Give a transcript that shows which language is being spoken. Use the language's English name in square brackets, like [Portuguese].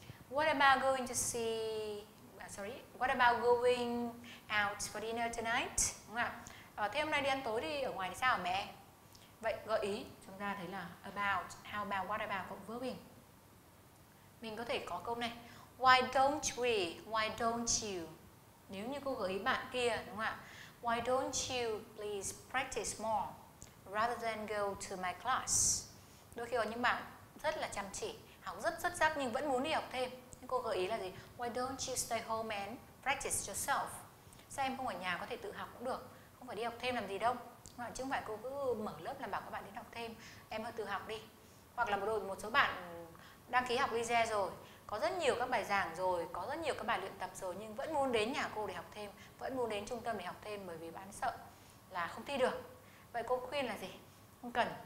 [English] What about going to see? What about going out for dinner tonight? [Vietnamese] Đúng không ạ? Thế hôm nay đi ăn tối đi ở ngoài thì sao hả mẹ? Vậy gợi ý chúng ta thấy là about, [English] how about, what about [Vietnamese] cộng verb in. Mình có thể có câu này. [English] Why don't we? Why don't you? [Vietnamese] Nếu như cô gợi ý bạn kia, đúng không ạ? [English] Why don't you please practice more rather than go to my class? [Vietnamese] Đôi khi có những bạn rất là chăm chỉ, học rất xuất sắc nhưng vẫn muốn đi học thêm. Cô gợi ý là gì? [English] Why don't you stay home and practice yourself? [Vietnamese] Sao em không ở nhà có thể tự học cũng được, không phải đi học thêm làm gì đâu. Chứ không phải cô cứ mở lớp làm bảo các bạn đến học thêm, em hãy tự học đi. Hoặc là một số bạn đăng ký học Lize rồi, có rất nhiều các bài giảng rồi, có rất nhiều các bài luyện tập rồi nhưng vẫn muốn đến nhà cô để học thêm, vẫn muốn đến trung tâm để học thêm bởi vì bạn sợ là không thi được. Vậy cô khuyên là gì? Không cần.